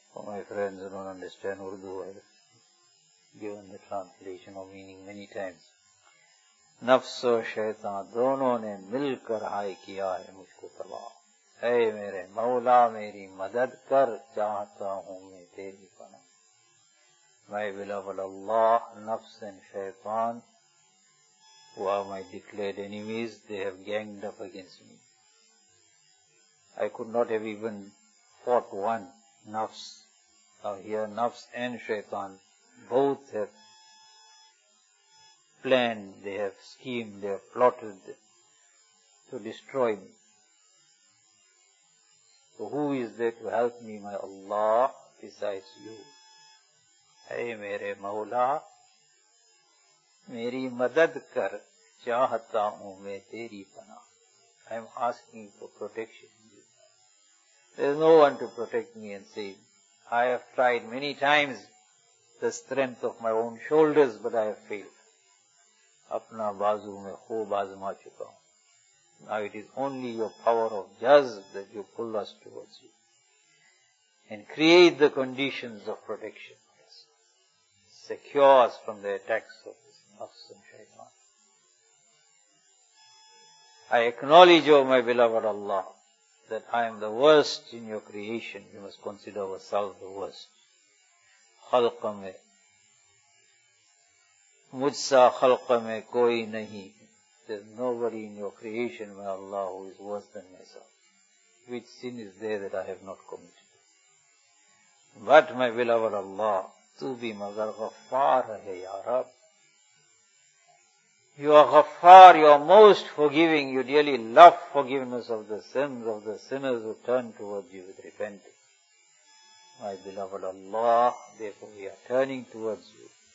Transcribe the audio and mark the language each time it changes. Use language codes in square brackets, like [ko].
[en] My friends don't understand Urdu, I have given the translation of meaning many times. [ur] نفس و شیطان دونوں نے مل کر ہائے کیا ہے مجھ کو تباہ. اے میرے مولا میری مدد کر, چاہتا ہوں میں تیری پناہ. [en] My beloved Allah, نفس و شیطان, who are my declared enemies, they have ganged up against me. I could not have even fought one nafs. Now here nafs and shaitan, both have planned, they have schemed, they have plotted to destroy me. So who is there to help me, my Allah, besides you? [ur] Hey, mere maula, meri madad kar, چاہتا ہوں میں تیری پناہ. [en] I am asking for protection. There is no one to protect me and save. I have tried many times the strength of my own shoulders, but I have failed. [ur] اپنا بازو میں خوب آزما چکا ہوں. [en] Now it is only your power of jazb that you pull us towards you and create the conditions of protection. Secure us from the attacks of this nafs and shaitan. I acknowledge, O my beloved Allah, that I am the worst in your creation. We must consider ourselves the worst. [ur] خلق میں مجھ سا خلق میں کوئی نہیں. [en] There is nobody in your creation, my Allah, who is worse than myself. Which sin is there that I have not committed? But my beloved Allah, [ur] تو بھی مگر غفار ہے یا رب. [en] You are Ghaffar, you are most forgiving, you dearly love forgiveness of the sins of the sinners who turn towards you with repentance. My beloved Allah, therefore we are turning towards you.